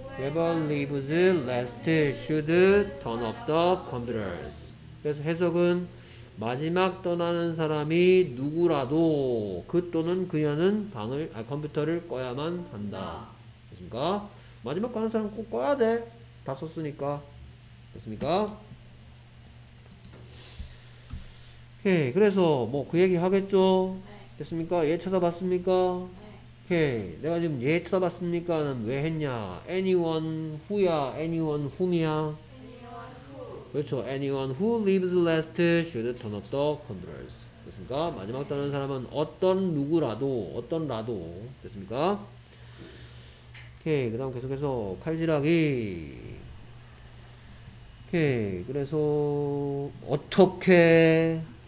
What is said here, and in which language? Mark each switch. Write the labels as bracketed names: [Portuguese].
[English] Whoever lives last should turn off the computers. [Korean] 그래서 해석은 마지막 떠나는 사람이 누구라도 그 또는 그녀는 방을 아 컴퓨터를 꺼야만 한다. 됐습니까? 마지막 가는 사람 꼭 꺼야 돼. 다 썼으니까. 됐습니까? 오케이. 그래서 뭐 그 얘기 하겠죠? 됐습니까? 얘 찾아봤습니까? 오케이 내가 지금 얘 찾아봤습니까? 왜 했냐? [English] Anyone who [Korean] 야? [English] Anyone whom [Korean] 이야? [English] Anyone who [Korean] 그렇죠 [English] Anyone who lives last should turn off the computers [Korean] 됐습니까? 마지막 떠나는 사람은 어떤 누구라도 어떤 라도 됐습니까? 오케이 그 다음 계속해서 칼질하기 오케이 그래서 어떻게